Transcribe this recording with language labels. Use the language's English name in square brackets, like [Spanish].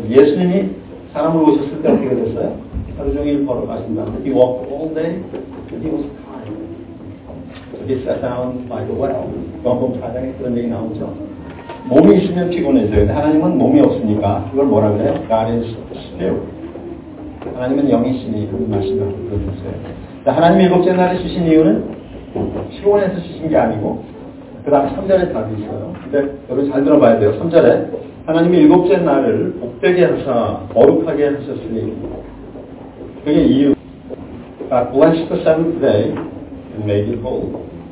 [Korean] 예수님이 사람을 오셨을 때 어떻게 됐어요? 하루 종일 걸어 가신다는데, [English] he walked all day, and he was tired. So he sat down by the well. [Korean] 요한복음 4장에 그런 얘기 나오죠. 몸이 있으면 피곤해져요. 근데 하나님은 몸이 없으니까 그걸 뭐라 그래요? [English] God is spirit. [Korean] 하나님은 영이시니 그 말씀을 들어주세요. 하나님이 일곱째 날에 쉬신 이유는 피곤해서 쉬신 게 아니고 그 다음 3절에 답이 있어요. 근데 여러분 잘 들어봐야 돼요. 3절에 하나님이 일곱째 날을 복되게 하사 거룩하게 하셨으니 그게 이유. [English] God blessed the seventh day and made it whole.